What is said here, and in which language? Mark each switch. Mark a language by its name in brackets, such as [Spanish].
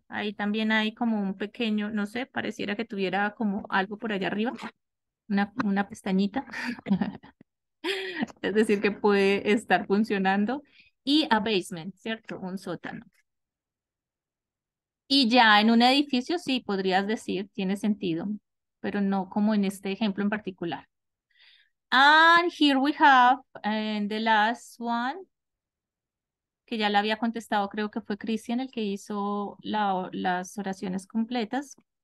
[Spanish] Ahí también hay como un pequeño, no sé, pareciera que tuviera como algo por allá arriba, una pestañita. Es decir, que puede estar funcionando. Y a basement, ¿cierto? Un sótano. Y ya en un edificio, sí, podrías decir, tiene sentido, pero no como en este ejemplo en particular. [English] And here we have the last one. Ok, [Spanish] que ya la había contestado, creo que fue Christian el que hizo las oraciones completas.